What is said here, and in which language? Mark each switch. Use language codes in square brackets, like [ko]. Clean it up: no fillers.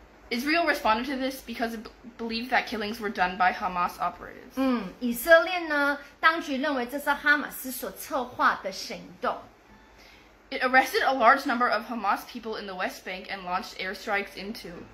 [en] Israel responded to this because it believed that killings were done by Hamas operatives. [zh] 以色列呢，当局认为这是哈马斯所策划的行动。 [en] It arrested a large number of Hamas people in the West Bank and launched airstrikes into.